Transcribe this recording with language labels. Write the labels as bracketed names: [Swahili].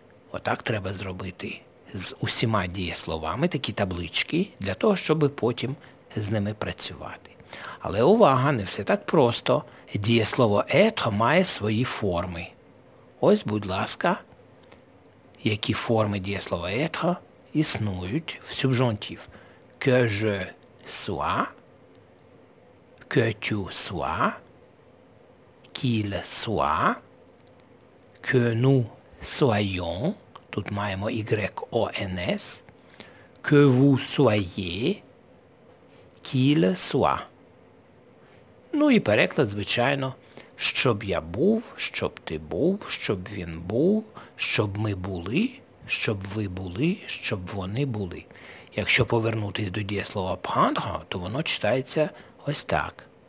[Ukrainian] Отак треба зробити з усіма дієсловами такі таблички, для того, щоб потім з ними працювати. Але увага, не все так просто. Дієслово «être» має свої форми. Ось, будь ласка, які форми дієслова «être» існують в субжонтів. [French] «Que je sois», «Que tu sois», «Qu'il soit», «Que nous soyons», [Ukrainian] тут маємо [French] «y-o-n-s», «Que vous soyez», «Qu'il soit». [Ukrainian] Ну і переклад, звичайно, «Щоб я був», «Щоб ти був», «Щоб він був», «Щоб ми були», «Щоб ви були», «Щоб вони були». Якщо повернутися до дієслова «prendre», то воно читається ось так.